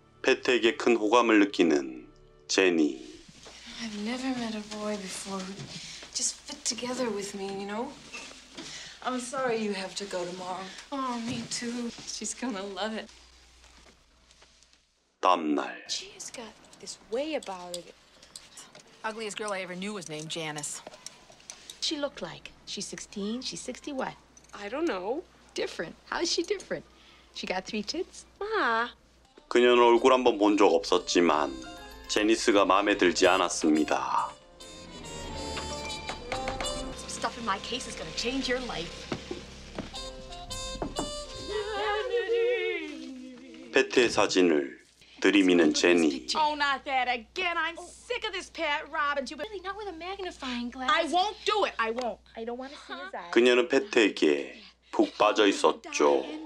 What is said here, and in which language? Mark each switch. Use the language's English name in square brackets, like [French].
[Korean] 패트에게 큰 호감을 느끼는 제니. [English] I've never met a boy before who just fit together with me, you know? I'm sorry you have to go tomorrow. Oh, me too. She's gonna love it. [Korean] 다음날. [English] She's got this way about it. Ugliest girl I ever knew was named Janice. She looked like? She's 16, she's 60 what? I don't know. Different. How is she different? She got three tits? Ma. [Korean] 그녀는 얼굴 한번 본 적 없었지만 제니스가 마음에 들지 않았습니다. [English] Stuff in my case is gonna change your life. [Korean] 패트의 사진을 들이미는 제니. [English] Oh, not that again. I'm sick of this pet robbing too. Really, not with a magnifying glass. I won't do it. I won't. I don't want to see his eyes. [Korean] 그녀는 패트에게 푹 빠져 있었죠.